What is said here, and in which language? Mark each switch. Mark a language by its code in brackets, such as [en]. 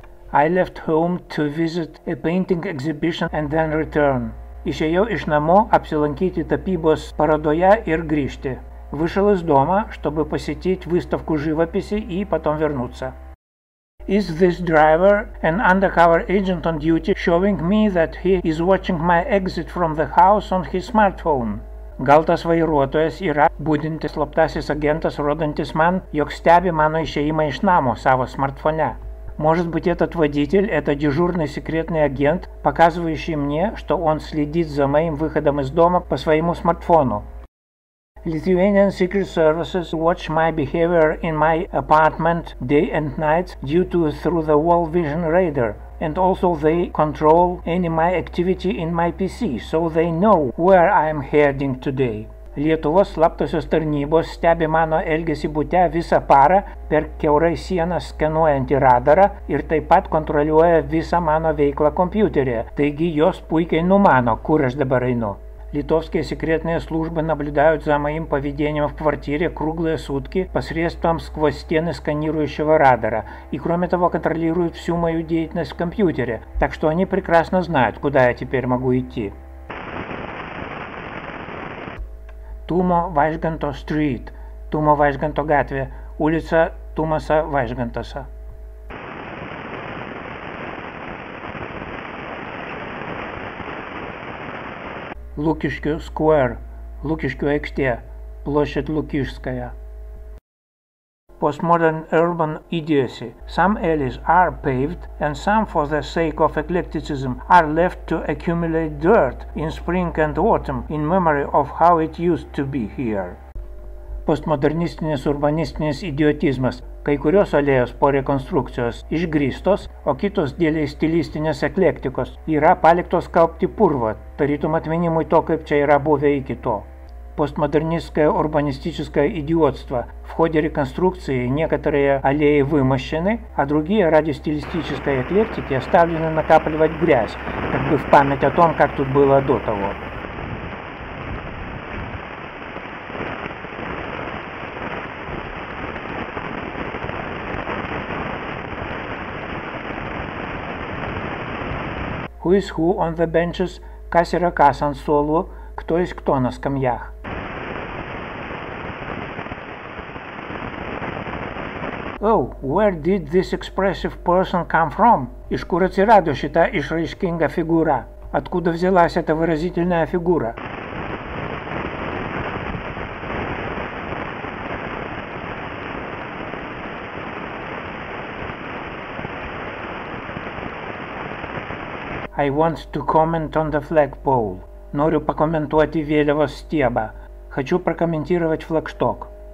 [en] I left home to visit a painting exhibition and then return. [lt] Išėjau iš namo apsilankyti tapybos parodoje ir grįžti. [ru] Вышел из дома, чтобы посетить выставку живописи и потом вернуться. [en] Is this driver an undercover agent on duty showing me that he is watching my exit from the house on his smartphone? [lt] Gal tas vairuotojas yra būdintis slaptasis agentas, rodantis man, jog stebi mano išėjimą iš namo savo smartfone. [ru] Может быть, этот водитель – это дежурный секретный агент, показывающий мне, что он следит за моим выходом из дома по своему смартфону. [en] Lithuanian Secret Services watch my behavior in my apartment day and night due to through-the-wall vision radar, and also they control any my activity in my PC, so they know where I am heading today. [lt] Lietuvos slaptosios tarnybos stebi mano elgesį bute visą parą per kiaurai sieną skenuojantį radarą ir taip pat kontroliuoja visą mano veiklą kompiuterį, taigi jos puikiai numano, kur aš dabar einu. [ru] Литовские секретные службы наблюдают за моим поведением в квартире круглые сутки посредством сквозь стены сканирующего радара и, кроме того, контролируют всю мою деятельность в компьютере, так что они прекрасно знают, куда я теперь могу идти. Тумо Вайжганто Стрит, Тумо Вайжганто Гатве, улица Тумаса Вайжгантоса. Лукишкю Сквер, Лукишкю Эксте, площадь Лукишская. [en] Postmodern urban idiocy. Some alleys are paved and some, for the sake of eclecticism, are left to accumulate dirt in spring and autumn in memory of how it used to be here. [lt] Postmodernistinis urbanistinis idiotizmas. Kai kurios alėjos po rekonstrukcijos išgrįstos, o kitos dėl stilistinės eklektikos yra paliktos kaupti purvą, tarytum atminimui to, kaip čia yra buvę iki to. [ru] Postmodernistское урбанистическое идиотство. В ходе реконструкции некоторые аллеи вымощены, а другие ради стилистической эклектики оставлены накапливать грязь, как бы в память о том, как тут было до того. [en] Who is who on the benches? [lt] Кас yra кас ant suolų? [ru] Кто есть кто на скамьях? [en] Oh, where did this expressive person come from? [lt] Iš kur atsirado šita išraiškinga [ru] фигура? Откуда взялась эта выразительная фигура? [en] I want to comment on the flagpole. [lt] Noriu pakomentuoti vėliavos stiebą. [ru] Хочу прокомментировать флагшток.